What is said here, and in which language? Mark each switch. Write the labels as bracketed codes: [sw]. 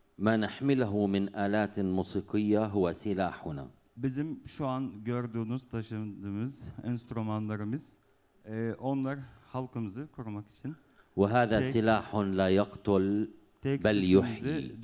[ar] ما نحمله من آلات موسيقية هو سلاحنا. [tr] Bizim şu an gördüğünüz, taşıdığımız enstrümanlarımız onlar halkımızı korumak için. [ar] وهذا سلاح لا يقتل بل يحيي.